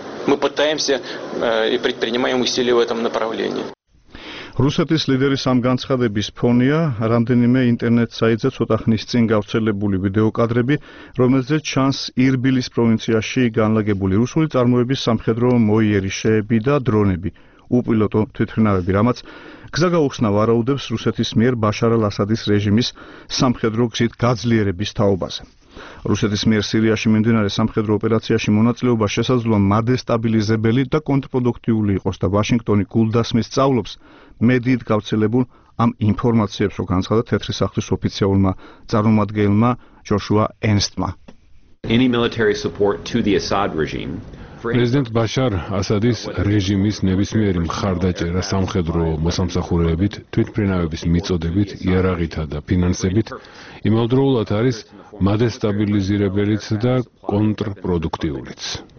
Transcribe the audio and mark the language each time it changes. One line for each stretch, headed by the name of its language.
Russian: Мы пытаемся и предпринимаем усилия в этом направлении.
Georgian: რუსეთის ლიდერის ამ განცხადების ფონია რამდენიმე ინტერნეტ საიტზე ცოტა ხნის წინ გავრცელებული ვიდეოკადრები, რომელზეც ჩანს ირბილის პროვინციაში განლაგებული რუსული წარმოების სამხედრო მოიერიშეები და დრონები, უპილოტო თვითმფრინავები, რამაც გზა გაუხსნა ვარაუდებს რუსეთის მიერ ბაშარ ალ-ასადის რეჟიმის სამხედრო გზით გაძლიერების თაობაზე. რუსეთის მიერ სირიაში მიმდინარე სამხედრო ოპერაციაში მონაწილეობა შესაძლოა მადესტაბილიზებელი და კონტრპროდუქტიული იყოს და ვაშინგტონი გულდასმის სწავლობს მედიით გავრცელებულ ამ ინფორმაციებს, რომ განცხადა თეთრი სახლის ოფიციალურმა წარმომადგენელმა ჯოშუა ენსტმა.
English: Any military support to the Assad regime?
Georgian: პრეზიდენტ ბაშარ ასადის რეჟიმის ნებისმიერი მხარდაჭერა სამხედრო მოსამსახურეებით, თვითმფრინავების მიწოდებით, იარაღითა და ფინანსებით იმავდროულად არის მადესტაბილიზირებელიც და კონტრპროდუქტიულიც.